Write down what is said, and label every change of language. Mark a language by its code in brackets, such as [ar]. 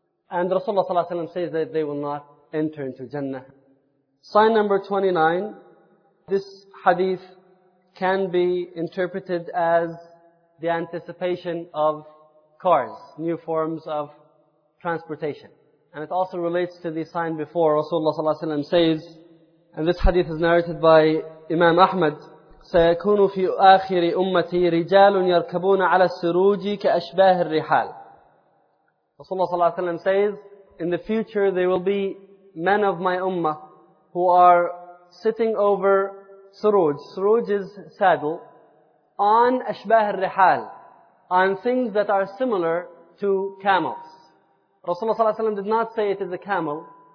[en] And Rasulullah ﷺ says that they will not enter into Jannah. Sign number 29. This hadith can be interpreted as the anticipation of cars, new forms of transportation. And it also relates to the sign before. Rasulullah ﷺ says, and this hadith is narrated by Imam Ahmad, [ar] سَيَكُونُ فِي آخِرِ أُمَّتِي رِجَالٌ يَرْكَبُونَ عَلَى السُّرُوجِ كَأَشْبَاهِ الرِّحَالِ. [en] Rasulullah ﷺ says, in the future there will be men of my ummah who are sitting over suruj. Suruj is saddle. On ashbah al-rihal. On things that are similar to camels. Rasulullah ﷺ did not say it is a camel.